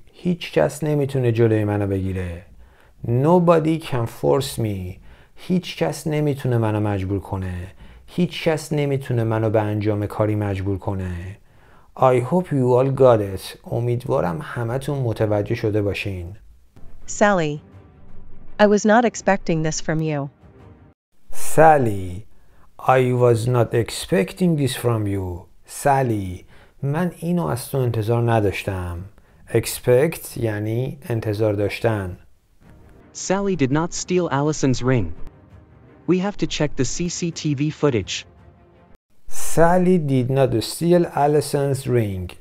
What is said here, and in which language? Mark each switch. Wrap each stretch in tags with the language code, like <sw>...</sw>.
<fa>هیچ کس نمیتونه جلوی منو بگیره.</fa> <en>Nobody can force me.</en> <fa>هیچ کس نمیتونه منو مجبور کنه. هیچ کس نمیتونه منو به انجام کاری مجبور کنه.</fa> <en>I hope you all got it.</en> <fa>امیدوارم همه تون متوجه شده باشین.</fa> <en>Sally, I was not expecting this from you. Sally, I was not expecting this from you.</en> <fa>Sally, من اینو از تو انتظار نداشتم. Expect یعنی انتظار داشتن.</fa> <en>Sally did not steal Allison's ring. We have to check the CCTV footage. Sally did not steal Allison's ring.</en>